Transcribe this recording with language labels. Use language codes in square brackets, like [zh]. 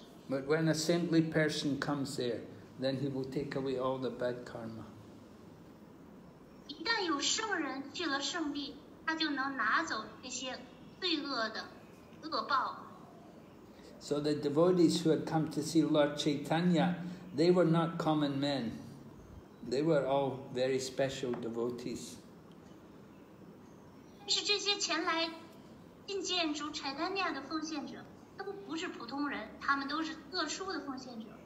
[en] But when a saintly person comes there, then he will take away all the bad karma. [zh] 一旦有圣人去了圣地，他就能拿走这些罪恶的恶报。 [en] So the devotees who had come to see Lord Chaitanya, they were not common men. They were all very special devotees. [zh] 但是这些前来觐见主 Chaitanya 的奉献者都不是普通人，他们都是特殊的奉献者。